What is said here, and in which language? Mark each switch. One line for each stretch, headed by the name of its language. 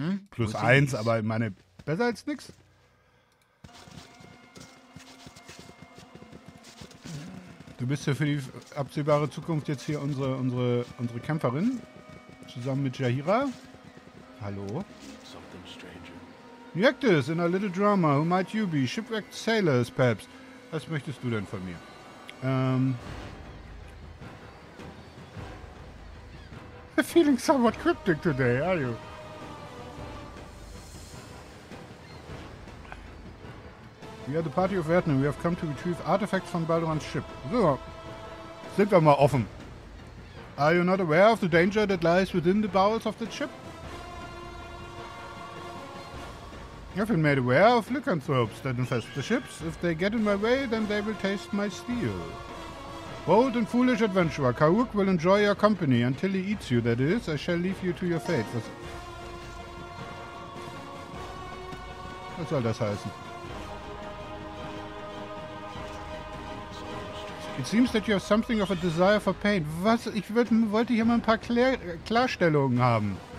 German: Plus eins, aber ich meine, besser als nix. Du bist ja für die absehbare Zukunft jetzt hier unsere Kämpferin. Zusammen mit Jahira. Hallo.
English: Yectus, in a little drama, who might you be? Shipwrecked sailors, perhaps.
German: Was möchtest du denn von mir?
English: You're feeling somewhat cryptic today, are you? We are the party of Vertner. We have come to retrieve artifacts from Balduran's ship.
German: So, sind wir mal offen.
English: Are you not aware of the danger that lies within the bowels of the ship? I've been made aware of lycanthropes that infest the ships. If they get in my way, then they will taste my steel. Bold and foolish adventurer, Kauk will enjoy your company until he eats you, that is. I shall leave you to your fate.
German: Was soll das heißen?
English: It seems that you have something of a desire for pain.
German: Was? Ich wollte hier mal ein paar Klarstellungen haben.